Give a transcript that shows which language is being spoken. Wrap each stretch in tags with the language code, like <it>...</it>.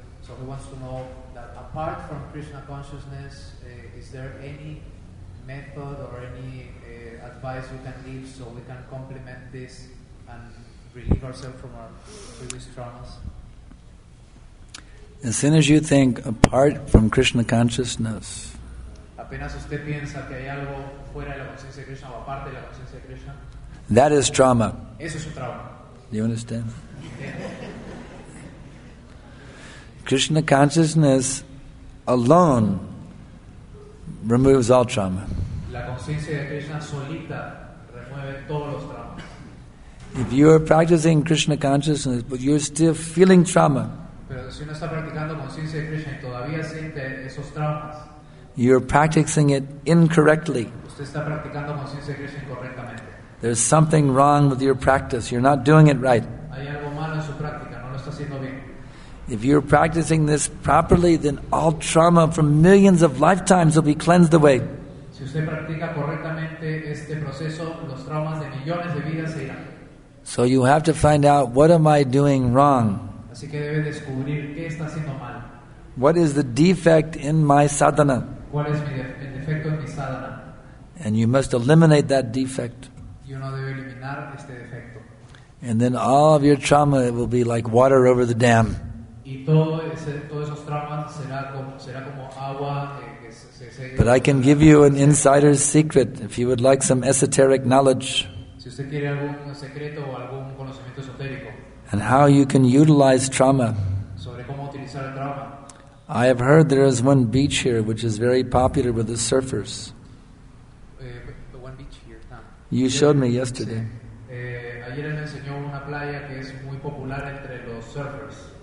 <en>So who wants to know that apart from Krishna consciousness, is there any method or any advice you can give so we can complement this and relieve ourselves from our previous traumas? As soon as you think apart from Krishna consciousness,</en> <es>apenas usted piensa que hay algo fuera de la conciencia de Krishna o aparte de la conciencia de Krishna,</es> <en>that is trauma.</en> <es>Eso es un trauma.</es> <en>Do you understand? Krishna consciousness alone removes all trauma.</en> <es>La conciencia de Krishna solita remueve todos los traumas.</es> <en>If you are practicing Krishna consciousness, but you're still feeling trauma,</en> <es>pero si uno está practicando conciencia de Krishna y todavía siente esos traumas,</es> <en>you're practicing it incorrectly.</en> <es>Usted está practicando conciencia de Krishna incorrectamente.</es> <en>There's something wrong with your practice. You're not doing it right.</en> <es>Hay algo malo en su práctica, no lo está haciendo bien.</es> <en>If you're practicing this properly, then all trauma from millions of lifetimes will be cleansed away.</en> <es>Si usted practica correctamente este proceso, los traumas de millones de vidas se irán.</es> <en>So you have to find out, what am I doing wrong?</en> <es>Así que debe descubrir qué está haciendo mal.</es> <en>What is the defect in my sadhana?</en> <es>¿Cuál es el defecto en mi sadhana?</es> <en>And you must eliminate that defect.</en> <es>Y uno debe eliminar este defecto.</es> <en>And then all of your trauma, it will be like water over the dam.</en> <es>Y todo esos traumas será como agua.</es> <en>But I can give you an insider's secret if you would like some esoteric knowledge.</en> <es>Si usted quiere algún secreto o algún conocimiento esotérico.</es> <en>And how you can utilize trauma.</en> <es>Sobre cómo utilizar el trauma.</es> <en>I have heard there is one beach here which is very popular with the surfers. One beach here, no. You showed me yesterday.</en> <es>Ayer me enseñó una playa que es muy popular entre los surfers.</es>